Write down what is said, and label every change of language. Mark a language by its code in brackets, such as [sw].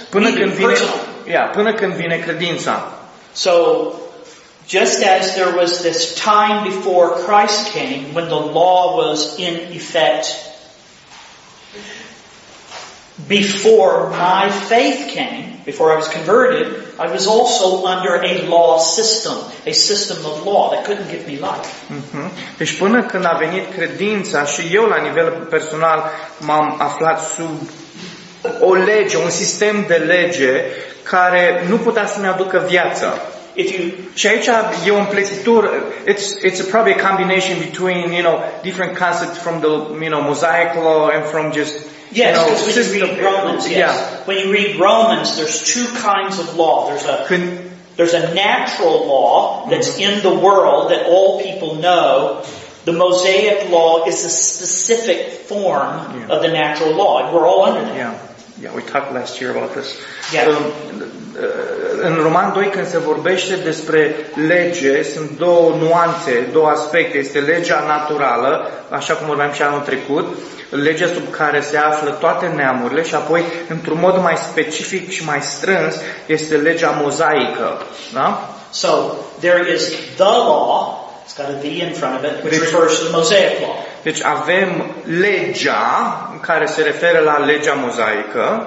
[ro] Până când vine, până când vine credința. [en] So just as there was this time before Christ came when the law was in effect, before my faith came, before I was converted, I was also under a law system, a system of law that couldn't give me life. [ro] Deci până când a venit credința și eu la nivel personal m-am aflat sub o lege, un sistem de lege care nu putea să mi aducă viață. Și aici e o împletitură, [en] it's probably a combination between, you know, different concepts from the, you know, Mosaic law and from just, yes, you know, when you read Romans, yes. Yeah. When you read Romans, there's two kinds of law. There's a natural law that's mm-hmm. in the world that all people know. The Mosaic law is a specific form yeah. of the natural law. We're all under that. Yeah. Yeah, we talked last year about this. Yeah. [ro] În Roman 2, când se vorbește despre lege, sunt două nuanțe, două aspecte. Este legea naturală, așa cum vorbeam și anul trecut, legea sub care se află toate neamurile, și apoi, într-un mod mai specific și mai strâns, este legea mozaică. Da? [en] So, there is the law, it's got a V in front of it, which refers to the Mosaic law. [ro] Deci avem legea care se referă la legea mozaică.